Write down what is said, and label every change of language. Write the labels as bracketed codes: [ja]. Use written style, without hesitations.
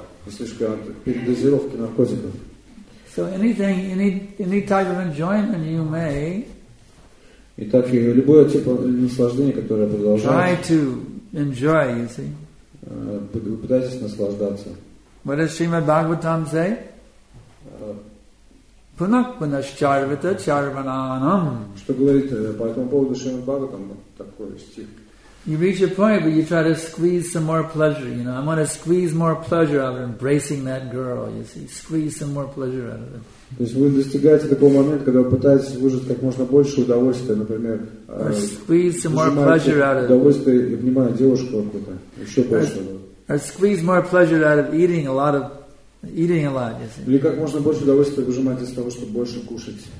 [ru] Слишком передозировки наркотиков. [en] So anything, any type of enjoyment you may. [ru] Итак, любое типа наслаждения, которое продолжается. [en] Try to enjoy, you see. [ru] Пытайтесь наслаждаться. [en] What does Srimad Bhagavatam say? [sa] Punak punashcharvita charvananam. [ru] Что говорит по этому поводу Шримад Бхагаватам такой стих? [en] You reach a point where you try to squeeze some more pleasure, you know. I want to squeeze more pleasure out of embracing that girl, you see. Squeeze some more pleasure out of it. [ru] То есть вы достигаете такого момента, когда вы пытаетесь выжать как можно больше удовольствия, например, удовольствие и внимание девушку какую-то, еще больше. [en] Or squeeze more pleasure out of eating a lot, you see. [ru] Или как можно больше удовольствия выжимать из того, чтобы больше кушать.